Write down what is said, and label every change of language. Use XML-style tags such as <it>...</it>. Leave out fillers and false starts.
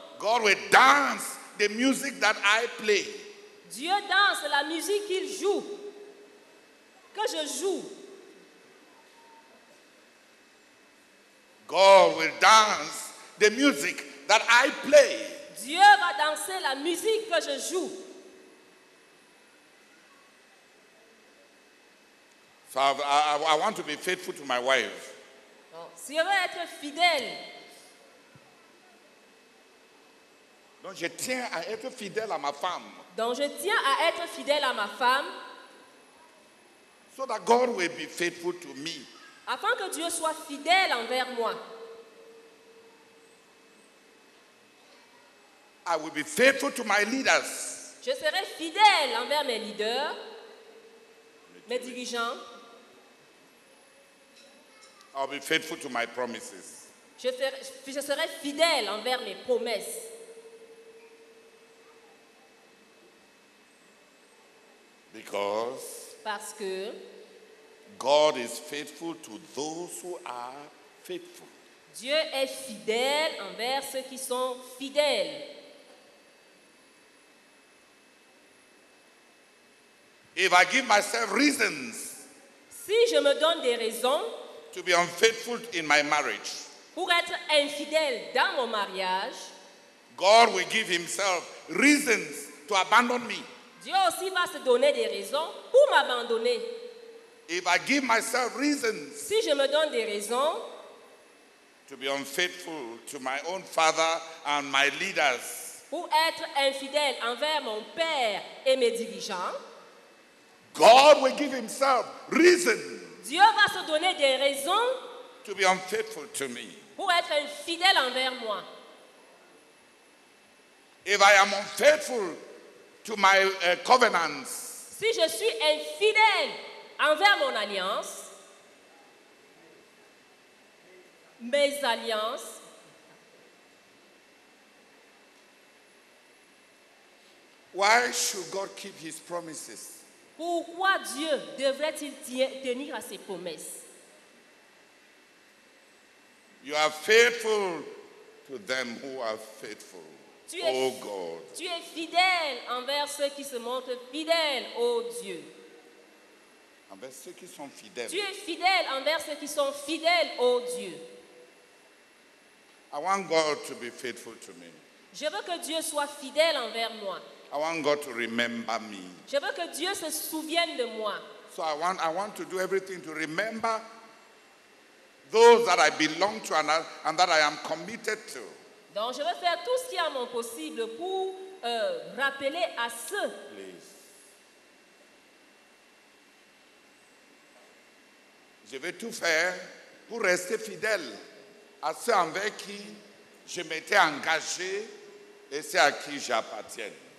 <en>God will dance the music that I play.</en> <fr>Dieu danse la musique qu'il joue, que je joue.</fr> <en>God will dance the music that I play.</en> <fr>Dieu va danser la musique que je joue.</fr> <en>So I want to be faithful to my wife.</en> <fr>Si je veux être fidèle. Donc je tiens à être fidèle à ma femme. Donc je tiens à être fidèle à ma femme.</fr> <en>So that God will be faithful to me.</en> <fr>Afin que Dieu soit fidèle envers moi.</fr> <en>I will be faithful to my leaders.</en> <fr>Je serai fidèle envers mes leaders, mes dirigeants.</fr> <en>I'll be faithful to my promises.</en> <fr>Je serai fidèle envers mes promesses.</fr> <en>Because</en> <fr>parce que</fr> <en>God is faithful to those who are faithful.</en> <fr>Dieu est fidèle envers ceux qui sont fidèles.</fr> <en>If I give myself reasons,</en> <fr>si je me donne des raisons</fr> <en>to be unfaithful in my marriage,</en> <fr>pour être infidèle dans mon mariage,</fr> <en>God will give himself reasons to abandon me.</en> <fr>Dieu aussi va se donner des raisons pour m'abandonner.</fr> <en>If I give myself reasons,</en> <fr>si je me donne des raisons,</fr> <en>to be unfaithful to my own father and my leaders,</en> <fr>ou être infidèle envers mon père et mes dirigeants,</fr> <en>God will give himself reason.</en> <fr>Dieu va se donner des raisons</fr> <en>to be unfaithful to me.</en> <fr>Pour être infidèle envers moi.</fr> <en>If I am unfaithful to my covenants,</en> <fr>si je suis infidèle envers mon alliance, mes alliances,</fr> <en>why should God keep his promises?</en> <fr>Pourquoi Dieu devrait-il tenir à ses promesses?</fr> <en>You are faithful to them who are faithful. Oh God.</en> <fr>Tu es fidèle envers ceux qui se montrent fidèles, oh Dieu. Envers ceux qui sont fidèles. Tu es fidèle envers ceux qui sont fidèles, oh Dieu.</fr> <en>I want God to be faithful to me.</en> <fr>Je veux que Dieu soit fidèle envers moi.</fr> <en>I want God to remember me.</en> <fr>Je veux que Dieu se souvienne de moi.</fr> <en>So I want to do everything to remember those that I belong to and that I am committed to.</en> <fr>Donc je veux faire tout ce qui est à mon possible pour rappeler à ceux.</fr> <en>Please.</en> <fr>Je vais tout faire pour rester fidèle à ceux envers qui je m'étais engagé et ceux à qui j'appartiens.</fr>